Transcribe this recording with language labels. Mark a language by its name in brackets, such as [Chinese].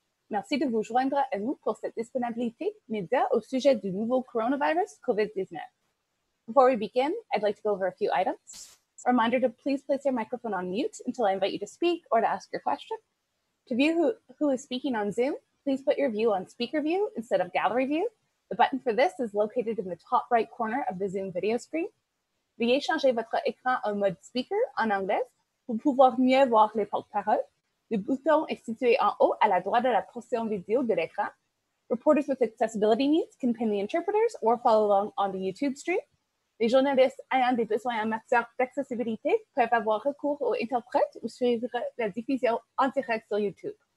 [French] Merci de vous joindre à nous pour cette disponibilité média au sujet du nouveau coronavirus COVID-19. [English] Before we begin, I'd like to go over a few items. A reminder to please place your microphone on mute until I invite you to speak or to ask your question. To view who is speaking on Zoom, please put your view on speaker view instead of gallery view. The button for this is located in the top right corner of the Zoom video screen. [French] Veuillez changer votre écran en mode speaker en anglais pour pouvoir mieux voir les porte-parole. Le bouton est situé en haut à la droite de la portion vidéo de l'écran. [English] Reporters with accessibility needs can ping the interpreters or follow along on the YouTube stream. [French] Les journalistes ayant des besoins en matière d'accessibilité peuvent avoir recours aux interprètes ou suivre la diffusion en direct sur YouTube.